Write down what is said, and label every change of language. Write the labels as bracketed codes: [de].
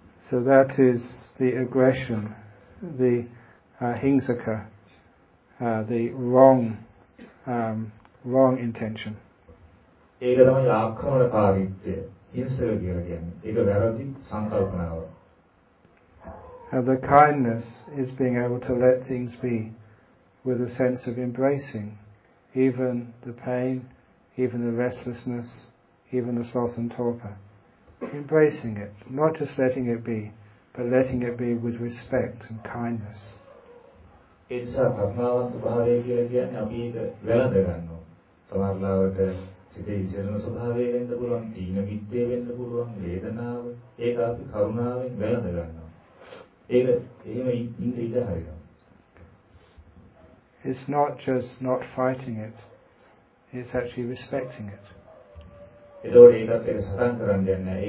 [en] So that is the aggression, the hingsaka, the wrong intention. [si] ඒක තමයි ආක්‍රමණකාරීත්වය හිංසක කියලා කියන්නේ. ඒක වැරදි සංකල්පනාවක්. [en] Have the kindness is being able to let things be with a sense of embracing even the pain, even the restlessness, even the sloth and torpor. Embracing it, not just letting it be, but letting it be with respect and kindness. [si] ඒ නිසා ප්‍රඥාවන්ත භාවය කියලා කියන්නේ අපි ඒක වැළඳ ගන්නවා. සමහරවිට ඒ ජීවන ස්වභාවයෙන් වෙන්න පුළුවන් තීන මිත්‍යේ වෙන්න පුළුවන් වේදනාව ඒක අපි කරුණාවෙන් වැළඳ ගන්නවා ඒක එහෙම ඉඳ හරිනවා [en] It's not just not fighting it it's actually respecting it. [si] එතකොට ඒකත් එක සටන් කරන්න දෙයක් නැහැ.